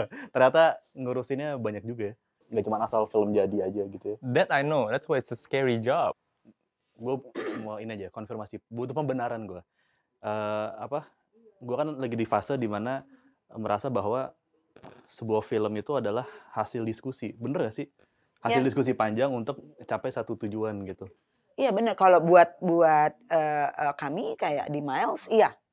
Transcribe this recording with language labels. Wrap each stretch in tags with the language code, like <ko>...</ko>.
<id>Ternyata ngurusinnya banyak juga ya. Gak cuma asal film jadi aja gitu ya.</id> <en>That I know, that's why it's a scary job.</en> <id>Gue mau ini aja, konfirmasi. Butuh pembenaran gue. Gue kan lagi di fase dimana merasa bahwa sebuah film itu adalah hasil diskusi. Bener gak sih? Hasil diskusi panjang untuk capai satu tujuan gitu. Iya benar, kalau buat kami kayak di Miles, iya.</id>